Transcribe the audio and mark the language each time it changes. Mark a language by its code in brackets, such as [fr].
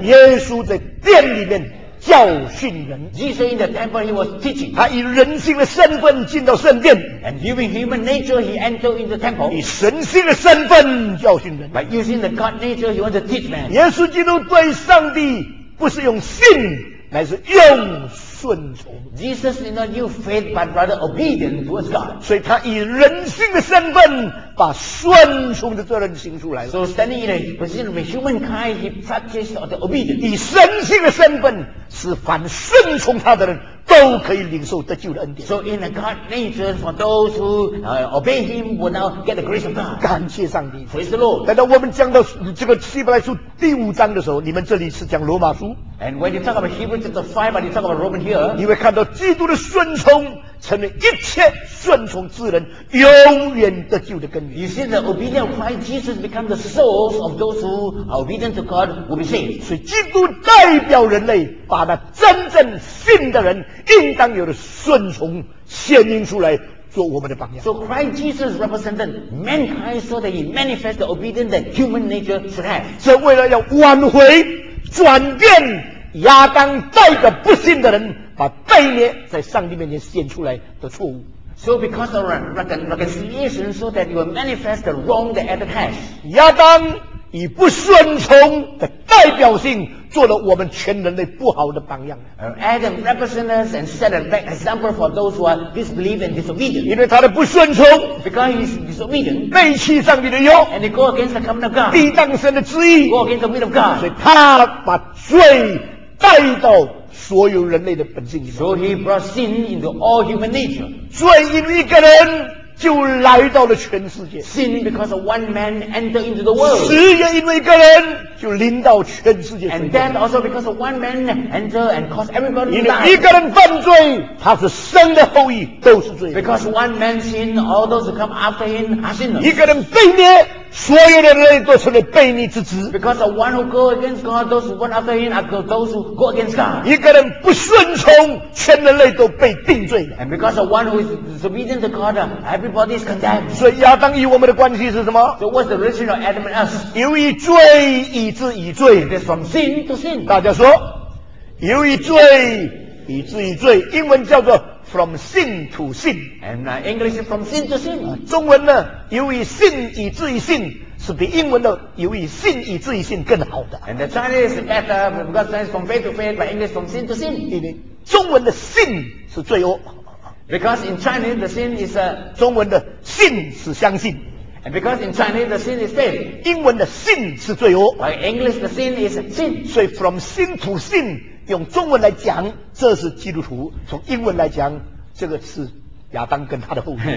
[zh] 耶稣在殿里面教训人 [en] Jesus in the temple he was teaching [zh] 他以人性的身份进到圣殿 [en] And using human nature he entered into the temple [zh] 以神性的身份教训人 [en] By using the God nature he wants to teach man [zh] 耶稣基督对上帝不是用信乃是用顺从 [en] Jesus did not use faith but rather obedience towards God [zh] 所以他以人性的身份把顺从的责任行出来了 [en] So standing in a position of humankind he practiced the obedience [zh] 以神性的身份是凡顺从他的人都可以领受得救的恩典 [en] So in a God nature for those who obey him will now get the grace of God [zh] 感谢上帝 [en] Praise the Lord [zh] 等到我们讲到这个希伯来书第五章的时候你们这里是讲罗马书 [en] And when you talk about Hebrews chapter 5 but you talk about Roman here [zh] 你会看到基督的顺从成为一切顺从之人永远得救的根源 [en] You see the obedience of Christ Jesus become the source of those who are obedient to God will be saved [zh] 所以基督代表人类把那真正信的人应当有的顺从显明出来做我们的榜样 [en] So Christ Jesus represented mankind so that he manifest the obedience that human nature should have [zh] 这为了要挽回转变亚当带着不信的人把背逆在上帝面前显出来的错误 [en] So because of reconciliation so that you will manifest the wrong that Adam has [zh] 亚当以不顺从的代表性做了我们全人类不好的榜样。 [en] Adam represents us and set a bad example for those who are disbelieve and disobedient. [zh] 因为他的不顺从 [en] ，because he is disobedient， [zh] 背弃上帝的约 [en] ，and he go against the covenant of God， [zh] 抵挡神的旨意 [en] ，go against the will of God， [zh] 所以他把罪带到所有人类的本性里面。 [en] So he brought sin into all human nature。 [zh] 罪因一个人就来到了全世界。 [en] Sin because of one man entered into the world。 [zh] 死也因为一个人就临到全世界。 [en] And death also because of one man entered and caused everybody to die。 [zh] 因为一个人犯罪，他是生的后裔都是罪。 [en] Because one man sin, all those who come after him are sinners。 [zh] 一个人背逆，所有的人类都成了悖逆之子。 [en] Because of one who go against God, those who run after him are those who go against God. [zh] 一个人不顺从，全人类都被定罪了。 [en] And because of one who is disobedient to God, everybody is condemned. [zh] 所以亚当与我们的关系是什么？ [en] So what's the relation of Adam and us? [zh] 由于罪以致以罪。 [en] It is from sin to sin. [zh] 大家说，由于罪以致以罪，英文叫做 [en] From sin to sin, and English is from sin to sin. [zh] 中文呢，由于信以至于信，是比英文的由于信以至于信更好的。 [en] And the Chinese is better because Chinese from faith to faith, but English from sin to sin. [zh] 因为中文的信是罪恶。 [en] Because in Chinese the sin is a [zh] 中文的信是相信。 [en] And because in Chinese the sin is faith. [zh] 英文的信是罪恶。 [en] But English the sin is sin. [zh] 所以 [en] from sin to sin. [zh] 用中文来讲，这是基督徒；从英文来讲，这个是亚当跟他的后裔。